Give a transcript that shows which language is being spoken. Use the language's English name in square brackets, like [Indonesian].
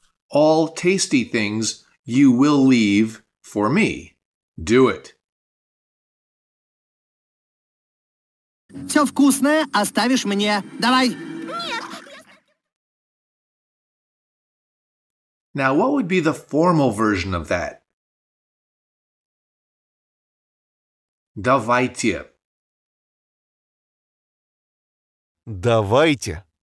[English] All tasty things you will leave for me. Do it. [Russian] Все вкусное оставишь мне. Давай. [English] Now, what would be the formal version of that? [Russian] Давайте. Давайте.